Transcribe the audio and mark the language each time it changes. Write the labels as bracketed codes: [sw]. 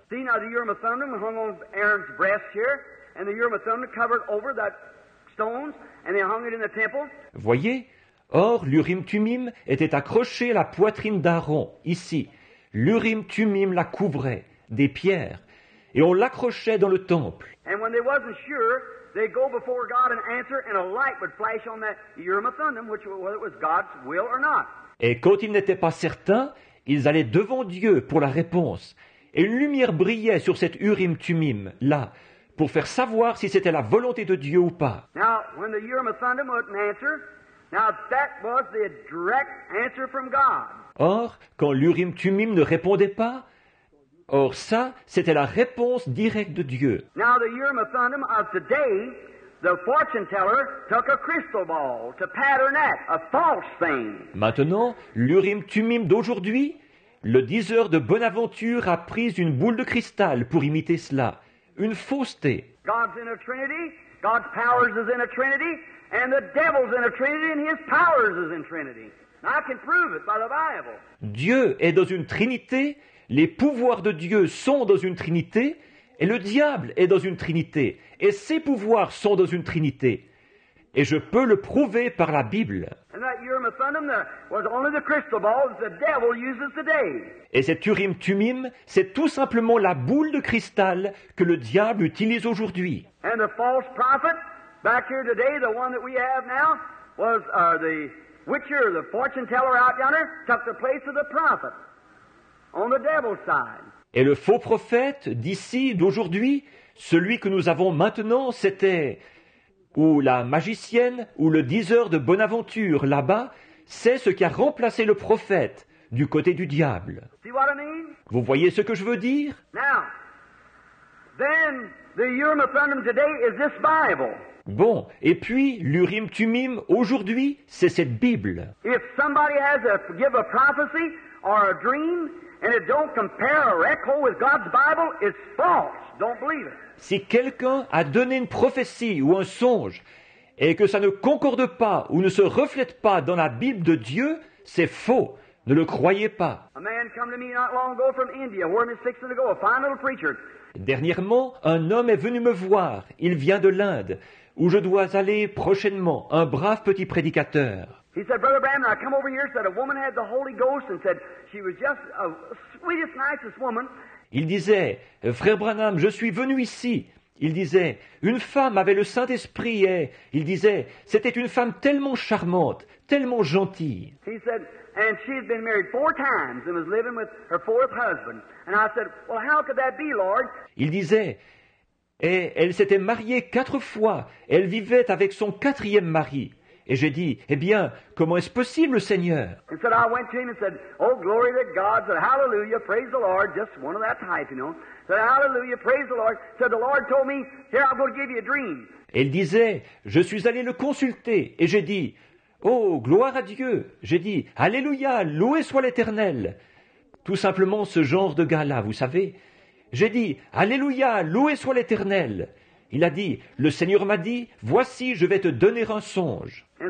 [en] See now the Urim and Thummim hung on Aaron's breast here, and the Urim and Thummim covered over that stones, and they hung it in the temple. [fr] Voyez? Or, l'Urim Thummim était accroché à la poitrine d'Aaron, ici. L'Urim Thummim la couvrait des pierres et on l'accrochait dans le temple. [en] And when they wasn't sure, they'd go before God and answer, and a light would flash on that Urim and Thummim, which whether it was God's will or not. [fr] Et quand ils n'étaient pas certains, ils allaient devant Dieu pour la réponse. Et une lumière brillait sur cet Urim Thummim là pour faire savoir si c'était la volonté de Dieu ou pas. [en] Now when the Urim and Thummim wouldn't answer, now that was the direct answer from God. [fr] Or, quand l'Urim Thummim ne répondait pas, or ça, c'était la réponse directe de Dieu. [en] Now the Urim and Thummim of today, the fortune teller took a crystal ball to pattern that, a false thing. [fr] Maintenant, l'Urim Thummim d'aujourd'hui, le diseur de bonne aventure a pris une boule de cristal pour imiter cela, une fausseté. [en] God's in a trinity, God's powers is in a trinity, and the devil's in a trinity and his powers is in trinity. I can prove it by the Bible. [fr] Dieu est dans une trinité, les pouvoirs de Dieu sont dans une trinité, et le diable est dans une trinité, et ses pouvoirs sont dans une trinité. Et je peux le prouver par la Bible. [en] And that Urim and Thummim was only the crystal ball that the devil uses today. [fr] Et cet Urim Thummim, c'est tout simplement la boule de cristal que le diable utilise aujourd'hui. [en] And the false prophet back here today, the one that we have now, was the Witcher, the fortune teller out yonder, took the place of the prophet on the devil's side. [fr] Et le faux prophète d'ici, d'aujourd'hui, celui que nous avons maintenant, c'était, ou la magicienne, ou le diseur de bonne aventure là-bas, c'est ce qui a remplacé le prophète du côté du diable. [en] See what I mean? [fr] Vous voyez ce que je veux dire? [en] Now, then, the Urim and Thummim today is this Bible. [fr] Bon, et puis l'Urim Thummim aujourd'hui, c'est cette Bible. [en] If somebody has a give a prophecy or a dream and it don't compare or echo with God's Bible, it's false. Don't believe it. [fr] Si quelqu'un a donné une prophétie ou un songe et que ça ne concorde pas ou ne se reflète pas dans la Bible de Dieu, c'est faux. Ne le croyez pas. [en] A man come to me not long ago from India, where me 6 years ago, a fine little preacher. [fr] Dernièrement, un homme est venu me voir. Il vient de l'Inde, où je dois aller prochainement, un brave petit prédicateur. [en] He said, Brother Bram, I come over here, said a woman had the Holy Ghost, and said she was just the sweetest, nicest woman. [fr] Il disait, Frère Branham, je suis venu ici. Il disait, une femme avait le Saint-Esprit, et il disait, c'était une femme tellement charmante, tellement gentille. [en] He said, And she had been married four times and was living with her fourth husband. And I said, well, how could that be, Lord? [fr] Il disait, et elle s'était mariée quatre fois. Elle vivait avec son quatrième mari. Et j'ai dit, eh bien, comment est-ce possible, Seigneur? [en] And said, I went to him and said, oh, glory to God. Said, hallelujah, praise the Lord. Just one of that type, you know. Said, hallelujah, praise the Lord. Said, the Lord told me, here, I'm going to give you a dream. [fr] Elle disait, je suis allé le consulter. Et j'ai dit, oh, gloire à Dieu. J'ai dit, alléluia, loué soit l'Éternel. Tout simplement ce genre de gars-là, vous savez. J'ai dit, alléluia, loué soit l'Éternel. Il a dit, le Seigneur m'a dit, voici, je vais te donner un songe.